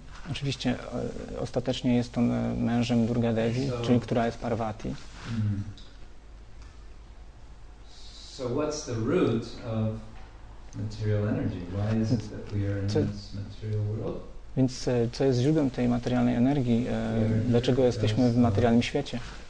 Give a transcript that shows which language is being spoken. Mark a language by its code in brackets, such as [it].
[pl] Oczywiście ostatecznie jest on mężem Durga Devi, czyli która jest Parvati. [en] So what's the root of material energy? Why is it that we are in this material world? [pl] Więc co jest źródłem tej materialnej energii? Dlaczego jesteśmy w materialnym świecie?